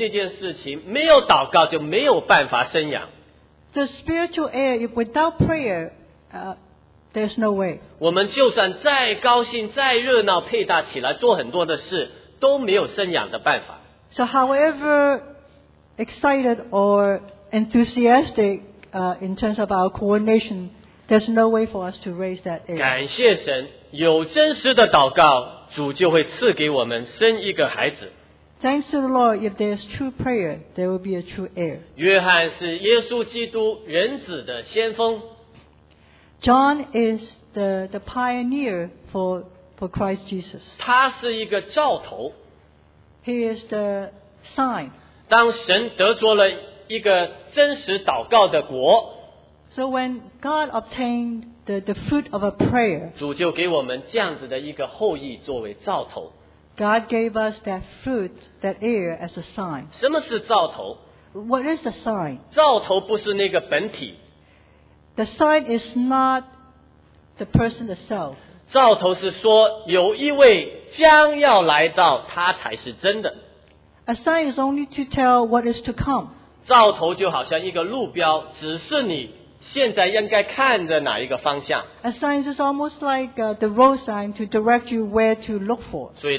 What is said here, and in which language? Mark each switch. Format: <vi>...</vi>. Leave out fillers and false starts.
<zh>所以在兴起属灵后裔这件事情，没有祷告就没有办法生养。</zh> <en>The spiritual heir, if without prayer, there's no way.</en> <zh>我们就算再高兴、再热闹、配搭起来做很多的事，都没有生养的办法。</zh> <en>So however excited or enthusiastic in terms of our coordination, there's no way for us to raise that heir.</en> <zh>感谢神，有真实的祷告，主就会赐给我们生一个孩子。</zh> <en>Thanks to the Lord, if there's true prayer, there will be a true heir.</en> <zh>约翰是耶稣基督人子的先锋。</zh> <en>John is the pioneer for Christ Jesus.</en> <zh>他是一个兆头。</zh> <en>He is the sign.</en> <zh>当神得着了一个真实祷告的国。</zh> <en>So when God obtained the fruit of a prayer,</en> <zh>主就给我们这样子的一个后裔作为兆头。</zh> <en>God gave us that fruit, that heir, as a sign.</en> <zh>什么是兆头？</zh> <en>What is the sign?</en> <zh>兆头不是那个本体。</zh> <en>The sign is not the person itself.</en> <zh>兆头是说有一位将要来到，他才是真的。</zh> <en>A sign is only to tell what is to come.</en> <zh>兆头就好像一个路标，指示你。现在应该看着哪一个方向？</zh> <en>A sign is almost like the road sign to direct you where to look for.</en>